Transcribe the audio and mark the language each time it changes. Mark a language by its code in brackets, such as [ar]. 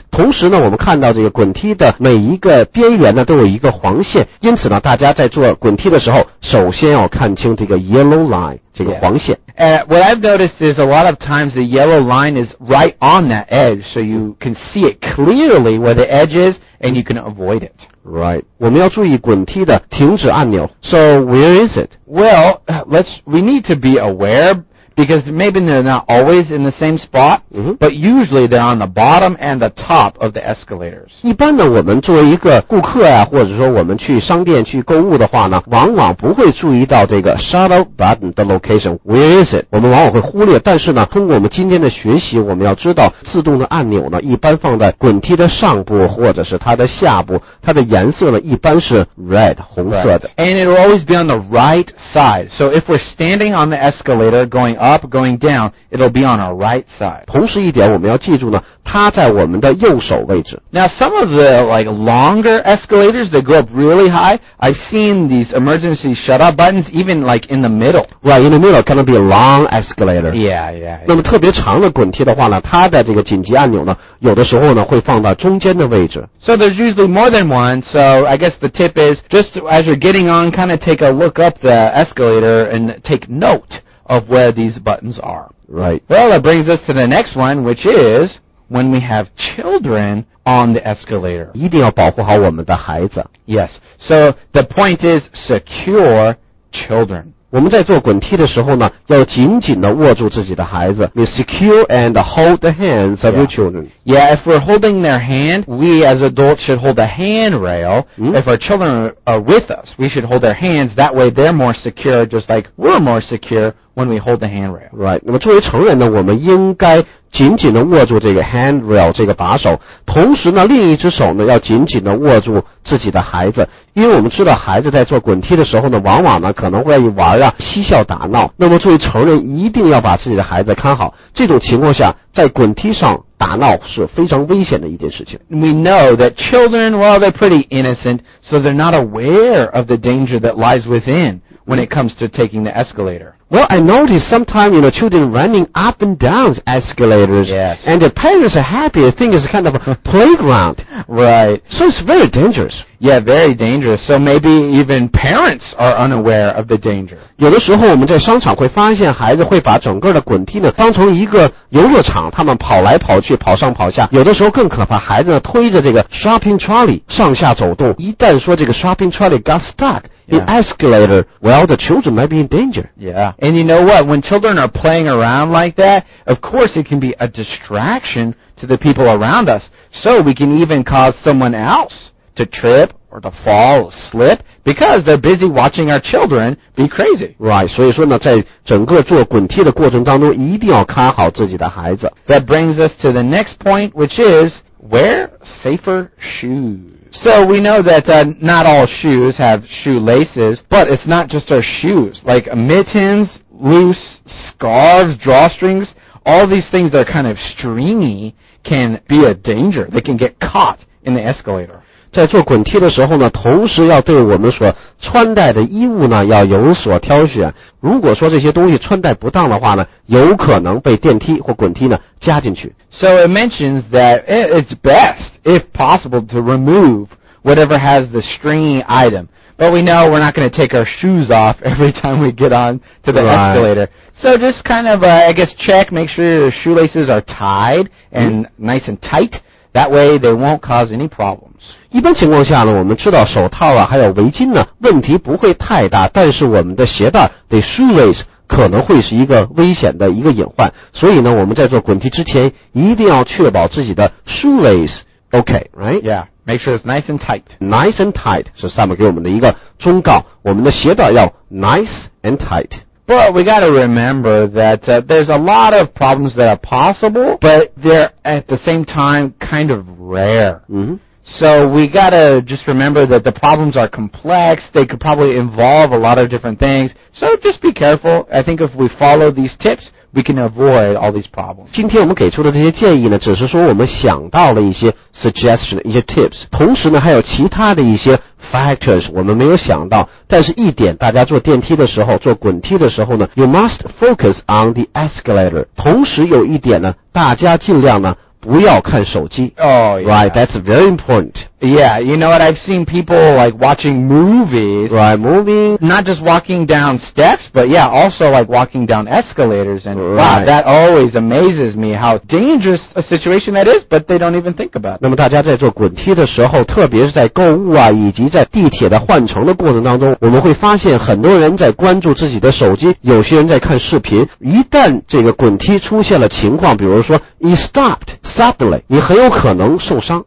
[zh] 同时呢，我们看到这个滚梯的每一个边缘呢都有一个黄线，因此呢，大家在做滚梯的时候首先要看清这个 [en] yellow line [zh] 这个黄线。 [en] What I've noticed is a lot of times the yellow line is right on that edge, so you can see it clearly where the edge is, and you can avoid it. Right. [zh] 我们要注意滚梯的停止按钮。 [en] So where is it? Well, we need to be aware, because maybe they're not always in the same spot, but usually they're on the bottom and the top of the escalators. [zh] 一般呢，我们作为一个顾客啊，或者说我们去商店去购物的话呢，往往不会注意到这个 shutoff button 的 location. [en] Where is it? [zh] 我们往往会忽略。但是呢，通过我们今天的学习，我们要知道自动的按钮呢，一般放在滚梯的上部或者是它的下部，它的颜色呢一般是 red 红色的。 [en] Right. And it will always be on the right side. So if we're standing on the escalator going up, going down, it'll be on our right side. [zh] 同时一点我们要记住呢，它在我们的右手位置。 [en] Now some of the like longer escalators that go up really high, I've seen these emergency shut off buttons even like in the middle. Right, in the middle can be a long escalator. Yeah. [zh] 那么特别长的滚梯的话呢，它的这个紧急按钮呢，有的时候呢会放到中间的位置。 [en] So there's usually more than one, so I guess the tip is just as you're getting on, kind of take a look up the escalator and take noteof where these buttons are. Right. Well, that brings us to the next one, which is when we have children on the escalator. [zh] 一定要保护好我们的孩子。 [en] Yes. So the point is secure children. [zh] 我们在做滚梯的时候呢，要紧紧地握住自己的孩子。 [en] We secure and hold the hands of your children. Yeah, if we're holding their hand, we as adults should hold the handrail. If our children are with us, we should hold their hands. That way they're more secure, just like we're more secureWhen we hold the handrail. Right. [zh] 那么作为成人呢，我们应该紧紧地握住这个 handrail 这个把手，同时呢，另一只手呢要紧紧地握住自己的孩子，因为我们知道孩子在做滚梯的时候呢，往往呢可能会愿意玩啊，嬉笑打闹。那么作为成人，一定要把自己的孩子看好。这种情况下，在滚梯上打闹是非常危险的一件事情。 [en] We know that children, well, they're pretty innocent, so they're not aware of the danger that lies within when it comes to taking the escalator. Well, I noticed sometimes, you know, children running up and down escalators. Yes. And the parents are happy. I think it's kind of a playground. Right. So it's very dangerous. Yeah, very dangerous. So maybe even parents are unaware of the danger. [zh] 有的时候我们在商场会发现孩子会把整个的滚梯呢当成一个游乐场，他们跑来跑去，跑上跑下。有的时候更可怕，孩子呢推着这个 shopping trolley 上下走动。一旦说这个 [en] shopping trolley got stuck, the escalator, well, the children might be in danger. Yeah. And you know what? When children are playing around like that, of course it can be a distraction to the people around us. So we can even cause someone else to trip or to fall, slip, because they're busy watching our children be crazy. Right. [zh] 所以说呢，在整个做滚梯的过程当中，一定要看好自己的孩子。 [en] That brings us to the next point, which is wear safer shoes. So we know that not all shoes have shoelaces, but it's not just our shoes. Like mittens, loose scarves, drawstrings, all these things that are kind of stringy can be a danger. They can get caught in the escalator. [zh] 在做滚梯的时候呢，同时要对我们所穿戴的衣物呢要有所挑选。如果说这些东西穿戴不当的话呢，有可能被电梯或滚梯呢夹进去。 [en] So it mentions that it's best, if possible, to remove whatever has the stringy item. But we know we're not going to take our shoes off every time we get on to the escalator. So just kind of, I guess, check, make sure your shoelaces are tied and nice and tight. That way they won't cause any problems. [zh] 一般情况下呢，我们知道手套啊，还有围巾呢，问题不会太大，但是我们的鞋带的 shoelace 可能会是一个危险的一个隐患。所以呢，我们在做滚梯之前一定要确保自己的 shoelace [en] okay, right? Yeah. Make sure it's nice and tight. Nice and tight [zh] 是上面给我们的一个忠告，我们的鞋带要 [en] nice and tight. But we got to remember that there's a lot of problems that are possible, but they're at the same time kind of rare. Mm-hmm. So we got to just remember that the problems are complex. They could probably involve a lot of different things. So just be careful. I think if we follow these tips,We can avoid all these problems. [zh] 今天我们给出的这些建议呢，只是说我们想到了一些 suggestion, 一些 tips. 同时呢，还有其他的一些 factors 我们没有想到。但是一点，大家坐电梯的时候，坐滚梯的时候呢， [en] you must focus on the escalator. [zh] 同时有一点呢，大家尽量呢，不要看手机。 [en] Oh, yeah. Right, that's very important. Yeah, you know what, I've seen people like watching movies. Right, moving. Not just walking down steps, but yeah, also like walking down escalators. And right. Wow, that always amazes me how dangerous a situation that is, but they don't even think about it. [zh] 那么大家在做滚梯的时候，特别是在购物啊，以及在地铁的换乘的过程当中，我们会发现很多人在关注自己的手机，有些人在看视频。一旦这个滚梯出现了情况，比如说 [en] it stopped suddenly, [zh] 你很有可能受伤。